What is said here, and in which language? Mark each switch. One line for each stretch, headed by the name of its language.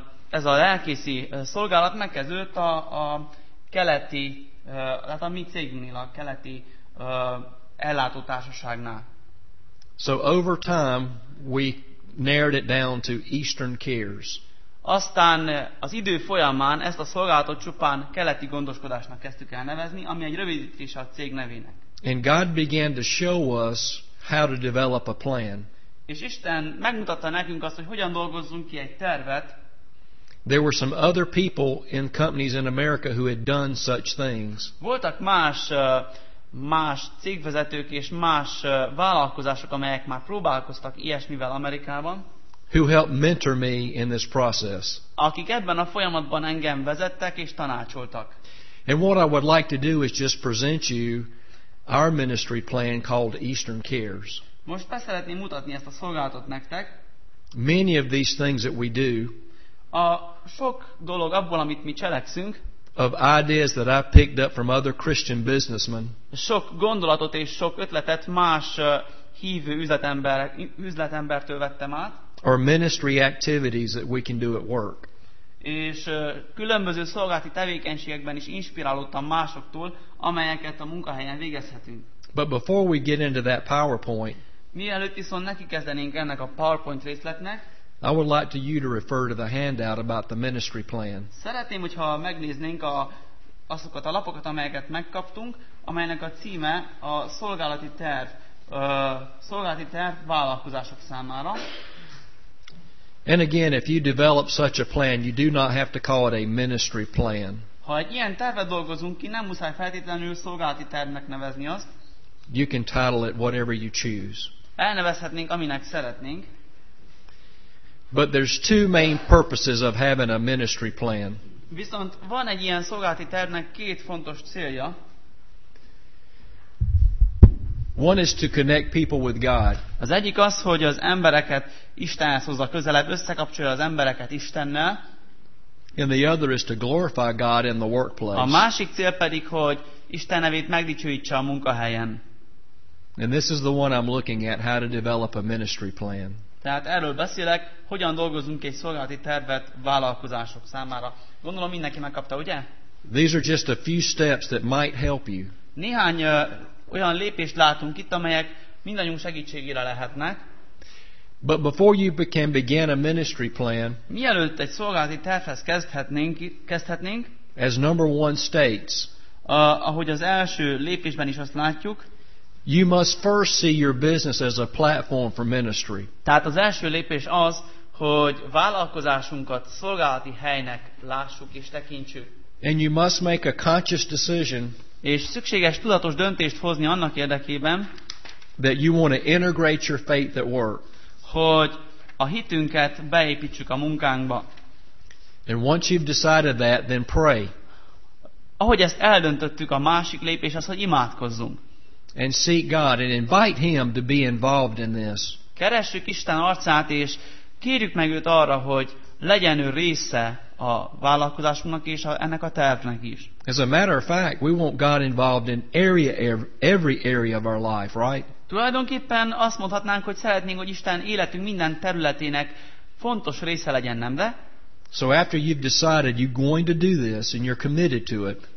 Hungarian: Ez a lelkészi szolgálat megkezdődött a keleti, hát a mi cégnél, a keleti ellátótársaságnál.
English: So over time we narrowed it down to Eastern Cares.
Hungarian: Aztán az idő folyamán ezt a szolgálatot csupán keleti gondoskodásnak kezdtük el nevezni, ami egy rövidítés a cég nevének.
English: And God began to show us how to develop a plan.
Hungarian: És Isten megmutatta nekünk azt, hogy hogyan dolgozzunk ki egy tervet.
English: There were some other people in companies in America who had done such things.
Hungarian: Voltak más cégvezetők és más vállalkozások, amelyek már próbálkoztak ilyesmivel Amerikában.
English: Who helped mentor me in this process.
Hungarian: Akik ebben a folyamatban engem vezettek és tanácsoltak.
English: And what I would like to do is just present you our ministry plan called Eastern Cares.
Hungarian: Most be szeretném mutatni ezt a szolgálatot nektek.
English: Many of these things that we do.
Hungarian: A sok dolog abból, amit mi cselekszünk.
English: Of ideas that I picked up from other Christian businessmen.
Hungarian: Sok gondolatot és sok ötletet más hívő üzletembertől vettem át.
English: Or ministry activities that we can do at work.
Hungarian: És különböző szolgálati tevékenységekben is inspirálódtam másoktól, amelyeket a munkahelyen végezhetünk.
English: But before we get into that PowerPoint,
Hungarian: mielőtt viszont nekikezdenénk ennek a PowerPoint részletnek,
English: I would like to you to refer to the handout about the ministry plan.
Hungarian: Szeretném, hogyha megnéznénk azokat a lapokat, amelyeket megkaptunk, amelynek a címe a szolgálati terv szolgálati terv vállalkozások számára.
English: And again, if you develop such a plan, you do not have to call it a ministry plan.
Hungarian: Ha egy ilyen tervet dolgozunk ki, nem muszáj feltétlenül szolgálati tervnek nevezni azt.
English: You can title it whatever you choose.
Hungarian: Elnevezhetnénk, aminek szeretnénk.
English: But there's two main purposes of having a ministry plan.
Hungarian: Viszont van egy ilyen szolgálati tervnek két fontos célja.
English: One is to connect people with God.
Hungarian: Az egyik az, hogy az embereket Istenhez hozza közelebb, összekapcsolja az embereket Istennel.
English: And the other is to glorify God in the workplace.
Hungarian: A másik cél pedig, hogy Isten nevét megdicsőítse a munkahelyen.
English: And this is the one I'm looking at, how to develop a ministry plan.
Hungarian: Tehát erről beszélek, hogyan dolgozunk egy szolgálati tervet vállalkozások számára. Gondolom mindenki megkapta, ugye?
English: These are just a few steps that might help you.
Hungarian: Néhány olyan lépést látunk itt, amelyek mindannyiunk segítségére lehetnek.
English: But before you can begin a ministry plan,
Hungarian: mielőtt egy szolgálati tervhez kezdhetnénk,
English: as number one states,
Hungarian: ahogy az első lépésben is azt látjuk,
English: you must first see your business as a platform for ministry.
Hungarian: Tehát az első lépés az, hogy vállalkozásunkat szolgálati helynek lássuk és tekintsük.
English: And you must make a conscious decision,
Hungarian: és szükséges tudatos döntést hozni annak érdekében,
English: that you want to integrate your faith at work,
Hungarian: hogy a hitünket beépítsük a munkánkba.
English: And once you've decided that, then pray.
Hungarian: Ahogy ezt eldöntöttük, a másik lépés az, hogy imádkozzunk.
English: And seek God and invite Him to be involved in this.
Hungarian: Keressük Isten arcát és kérjük meg őt arra, hogy legyen ő része a vállalkozásunknak és ennek a tervnek is.
English: As a matter of fact, we want God involved in every area of our life, right?
Hungarian: Tulajdonképpen azt mondhatnánk, hogy szeretnénk, hogy Isten életünk minden területének fontos része legyen, nem de?
English: So after you've decided you're going to do this and you're committed to it.